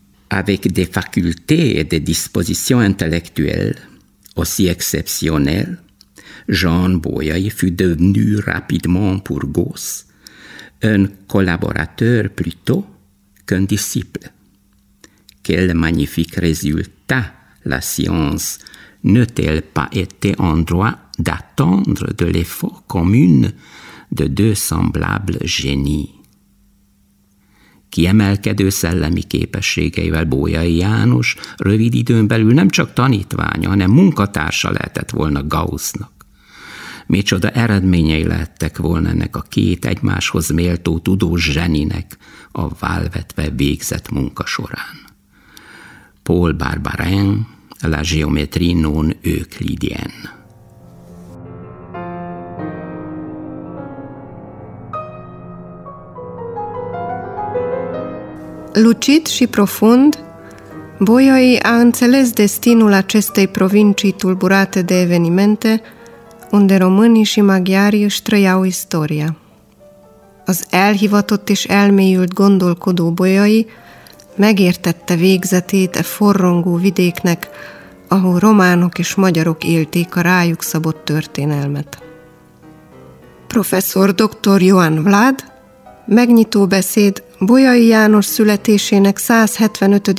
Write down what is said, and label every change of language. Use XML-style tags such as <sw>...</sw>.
<fr>Avec des facultés et des dispositions intellectuelles aussi exceptionnelles, Jean Boyeuil fut devenu rapidement pour Gauss un collaborateur plutôt qu'un disciple. Quel magnifique résultat la science n'a-t-elle pas été en droit d'attendre de l'effort commun de deux semblables génies?</fr> <hu>Kiemelkedő szellemi képességeivel Bolyai János rövid időn belül nem csak tanítványa, hanem munkatársa lehetett volna Gaussnak. Micsoda eredményei lettek volna ennek a két egymáshoz méltó tudós zseninek a válvetve végzett munka során.</hu> <fr>Paul Barbarin, La géométrie non euclidienne.</fr> <ro>Lucid și profund, Boyeuil a înțeles destinul acestei provincii tulburate de evenimente, unde românii și maghiarii își trăiau istoria.</ro> <hu>Az elhivatott és elmélyült gondolkodó Boyeuil megértette végzetét e forrongó vidéknek, ahol románok és magyarok élték a rájuk szabott történelmet. Professzor dr. Ioan Vlad, megnyitó beszéd Boyeuil János születésének 175.</hu>